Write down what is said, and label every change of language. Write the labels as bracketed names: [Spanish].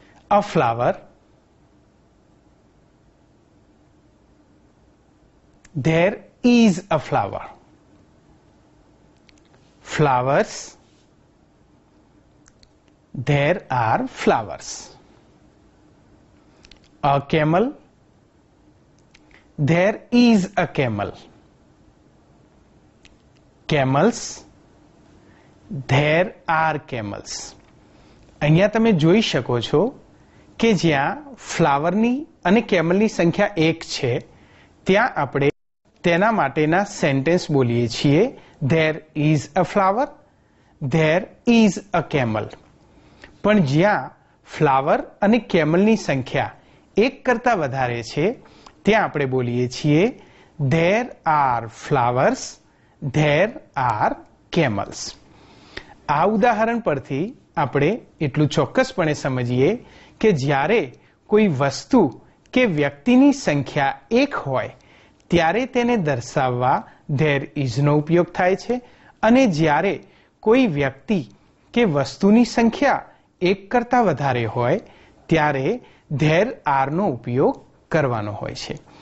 [English] A flower, there is a flower, flowers, there are flowers, a camel, there is a camel, camels, there are camels. [Gujarati] અહીંયા તમે જોઈ શકો છો કે જ્યાં ફ્લાવરની અને કેમલની સંખ્યા 1 છે ત્યાં આપણે તેના માટેના સેન્ટેન્સ બોલીએ છીએ. [English] There is a flower, there is a camel. [Gujarati] પણ જ્યાં ફ્લાવર અને કેમલની સંખ્યા 1 કરતા વધારે છે ત્યાં આપણે બોલીએ છીએ [English] There are flowers, there are camels. [Gujarati] આ ઉદાહરણ પરથી આપણે એટલું ચોક્કસપણે સમજીએ કે જ્યારે કોઈ વસ્તુ કે વ્યક્તિની સંખ્યા 1 હોય ત્યારે તેને દર્શાવવા ધેર ઇઝનો ઉપયોગ થાય છે, અને જ્યારે કોઈ વ્યક્તિ કે વસ્તુની સંખ્યા 1 કરતા વધારે હોય ત્યારે ધેર આરનો ઉપયોગ કરવાનો હોય છે.